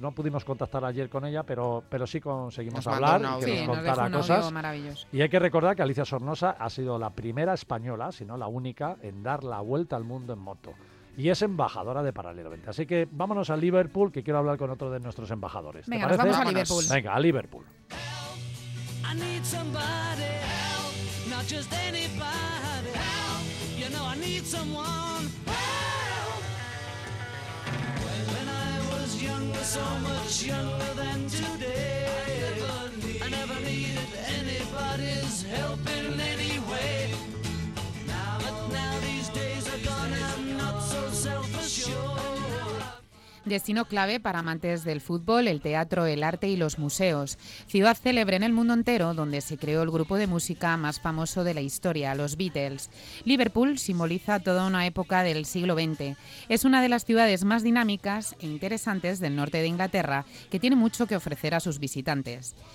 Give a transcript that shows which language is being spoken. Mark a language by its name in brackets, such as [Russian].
[Spanish] No pudimos contactar ayer con ella, pero sí conseguimos hablar y que nos contara cosas. Y hay que recordar que Alicia Sornosa ha sido la primera española, si no la única, en dar la vuelta al mundo en moto. Y es embajadora de Paralelo 20. Así que vámonos a Liverpool, que quiero hablar con otro de nuestros embajadores. Venga, ¿te parece? Nos vamos a Liverpool. Venga, a Liverpool. [English] Help, I need somebody help, not just anybody help. You know I need someone help. When I was younger, so much younger than today, I never needed anybody's help in any way. But now these days are gone, I'm not so self-assured. [Spanish] Destino clave para amantes del fútbol, el teatro, el arte y los museos. Ciudad célebre en el mundo entero, donde se creó el grupo de música más famoso de la historia, los Beatles. Liverpool simboliza toda una época del siglo XX. Es una de las ciudades más dinámicas e interesantes del norte de Inglaterra, que tiene mucho que ofrecer a sus visitantes.